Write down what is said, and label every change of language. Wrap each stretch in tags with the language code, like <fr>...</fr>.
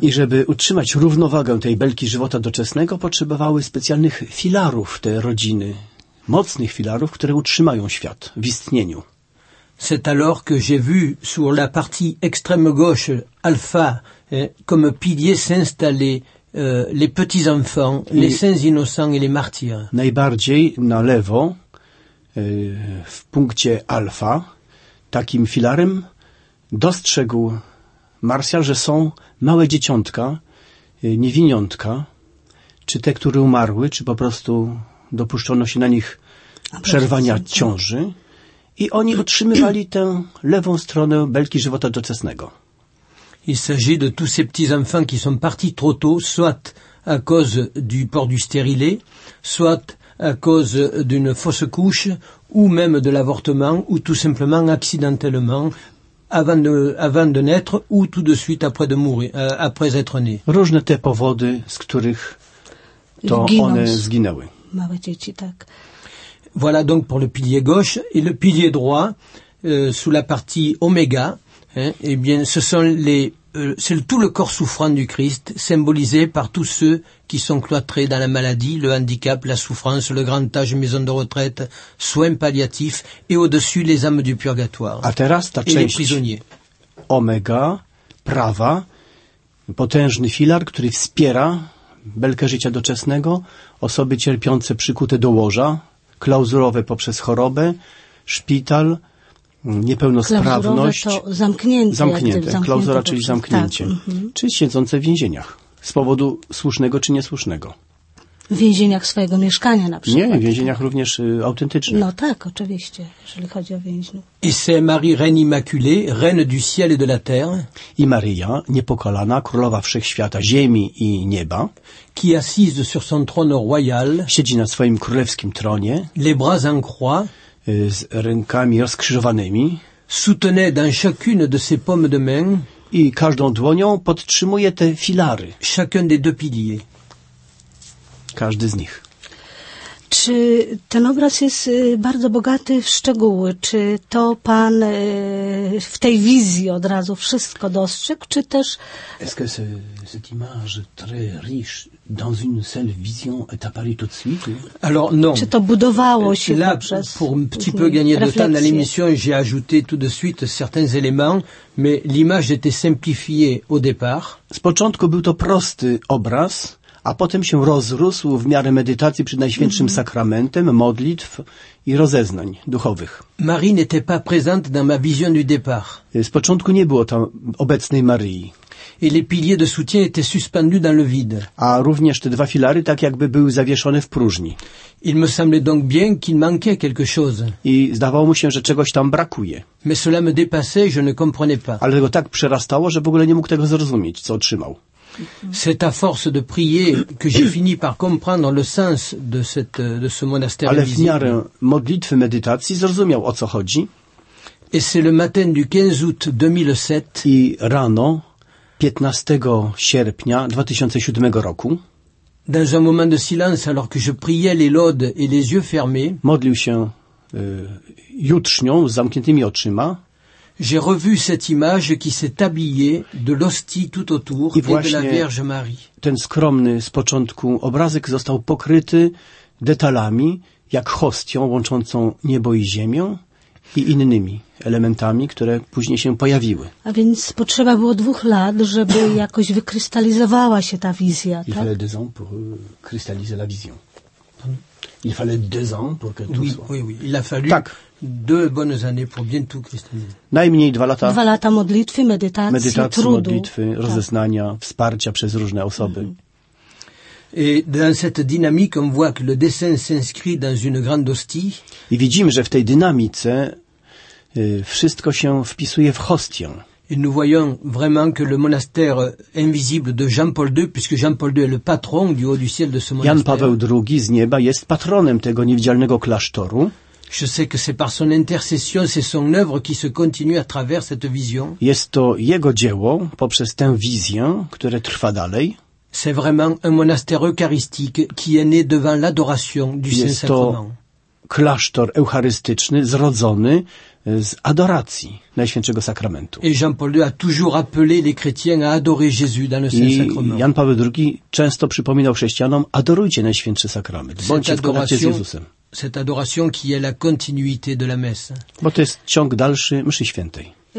<pl>I żeby utrzymać równowagę tej belki żywota doczesnego, potrzebowały specjalnych filarów te rodziny, mocnych filarów, które utrzymają świat w istnieniu.</pl> <fr>C'est alors que j'ai vu sur la partie extrême gauche alpha comme pilier s'installer les petits enfants, les saints innocents et les martyrs.</fr> <pl>Najbardziej na lewo w punkcie alfa takim filarem dostrzegł Marcial, że są małe dzieciątka, niewiniątka, czy te, które umarły, czy po prostu dopuszczono się na nich przerwania ciąży i oni otrzymywali tę lewą stronę belki żywota doczesnego.</pl> <fr>Il s'agit de tous ces petits enfants qui sont partis trop tôt, soit à cause du port du stérilet, soit à cause d'une fausse couche ou même de l'avortement ou tout simplement accidentellement avant de naître ou tout de suite après de mourir après être né.</fr> <pl>Różne te powody, z których to one zginęły. Małe dzieci, tak.</pl> <fr>Voilà donc pour le pilier gauche et le pilier droit sous la partie oméga, hein, eh bien ce sont les c'est tout le corps souffrant du Christ, symbolisé par tous ceux qui sont cloîtrés dans la maladie, le handicap, la souffrance, le grand âge, maison de retraite, soins palliatifs et au-dessus les âmes du purgatoire.</fr> <pl>A teraz ta</pl> <fr>et</fr> <pl>część</pl> <fr>les prisonniers.</fr> <pl>Omega, prawa, potężny filar, który wspiera belkę życia doczesnego, osoby cierpiące przykute do łoża, klauzurowe poprzez chorobę, szpital, niepełnosprawność, zamknięte, klauzura, czyli zamknięcie, czy siedzące w więzieniach z powodu słusznego czy niesłusznego. W więzieniach swojego mieszkania na przykład. Nie, w więzieniach również autentycznych. No tak, oczywiście, jeżeli chodzi o więźniów.</pl> <fr>I c'est Marie, reine immaculée, reine du ciel et de la terre.</fr> <pl>I Maria, niepokalana, królowa wszechświata, ziemi i nieba.</pl> <fr>Qui assise sur son trône royal.</fr> <pl>Siedzi na swoim królewskim tronie.</pl> <fr>Les bras en croix.</fr> <pl>Z rękami rozkrzyżowanymi.</pl> <fr>Soutenait dans chacune de ses paumes de main.</fr> <pl>I każdą dłonią podtrzymuje te filary.</pl> <fr>Chacun des deux piliers.</fr> <pl>Każdy z nich. Czy ten obraz jest bardzo bogaty w szczegóły? Czy to pan w tej wizji od razu wszystko dostrzegł, czy też...</pl> <fr>Est-ce que cette image très riche dans une seule vision est apparue tout de suite? Alors non.</fr> <pl>Czy to budowało się</pl> <fr>là,</fr> <pl>poprzez...</pl> <fr>Pour un petit peu gagner de temps dans l'émission, j'ai ajouté tout de suite certains éléments, mais l'image était simplifiée au départ.</fr> <pl>Z początku był to prosty obraz, a potem się rozrósł w miarę medytacji przed Najświętszym Sakramentem, modlitw i rozeznań duchowych.</pl> <fr>Marie n'était pas présente dans ma vision du départ.</fr> <pl>Z początku nie było tam obecnej Marii.</pl> <fr>Et les piliers de soutien étaient suspendus dans le vide.</fr> <pl>A również te dwa filary tak jakby były zawieszone w próżni.</pl> <fr>Il me semblait donc bien qu'il manquait quelque chose.</fr> <pl>I zdawało mu się, że czegoś tam brakuje.</pl> <fr>Mais cela me dépassait, je ne comprenais pas.</fr> <pl>Ale go tak przerastało, że w ogóle nie mógł tego zrozumieć, co otrzymał.</pl> <fr>C'est à force de prier que j'ai fini par comprendre le sens de ce monastère.</fr> <pl>Ale w miarę modlitwy, medytacji zrozumiał, o co chodzi.</pl> <fr>Et c'est le matin du 15 août 2007.</fr> <pl>I rano 15 sierpnia 2007 roku.</pl> <fr>Dans un moment de silence, alors que je priais les laudes et les yeux fermés.</fr> <pl>Modlił się jutrznią z zamkniętymi oczyma.</pl> <fr>J'ai revu cette image qui s'est habillée de l'hostie tout autour et de la Vierge Marie.</fr> <pl>Ten skromny z początku obrazek został pokryty detalami, jak hostią łączącą niebo i ziemię i innymi elementami, które później się pojawiły. A więc potrzeba było dwóch lat, żeby jakoś wykrystalizowała się ta wizja, tak?</pl> <fr>Il fallait deux ans pour cristalliser la vision. Il fallait deux ans pour que tout soit. Oui, oui, il a fallu.</fr> <pl>Tak.</pl> <fr>Deux bonnes années pour bien tout cristalliser.</fr> <pl>Najmniej dwa lata. Dwa lata modlitwy, medytacji, trudu. Medytacji, modlitwy, tak. Rozeznania, wsparcia przez różne osoby.</pl> <fr>Et dans cette dynamique, on voit que le dessin s'inscrit dans une grande hostie.</fr> <pl>I widzimy, że w tej dynamice wszystko się wpisuje w hostię.</pl> <fr>Et nous voyons vraiment que le monastère invisible de Jean-Paul II, puisque Jean-Paul II est le patron du haut du ciel de ce monastère.</fr> <pl>Jan Paweł II z nieba jest patronem tego niewidzialnego klasztoru.</pl> <fr>Je sais que c'est par son intercession, c'est son œuvre qui se continue à travers cette vision.</fr> <pl>Jest to jego dzieło poprzez tę wizję, które trwa dalej.</pl> <fr>C'est vraiment un monastère eucharistique qui est né devant l'adoration du Saint-Sacrement.</fr> <pl>Jest to klasztor eucharystyczny zrodzony z adoracji Najświętszego Sakramentu.</pl> <fr>Et Jean-Paul II a toujours appelé les chrétiens à adorer Jésus dans le Saint-Sacrement.</fr> <pl>Jan Paweł II często przypominał chrześcijanom: adorujcie Najświętszy Sakrament, bądźcie w kontakcie z Jezusem.</pl> <fr>Cette adoration qui est la continuité de la messe.</fr> <pl>Bo to jest ciąg dalszy mszy świętej.</pl>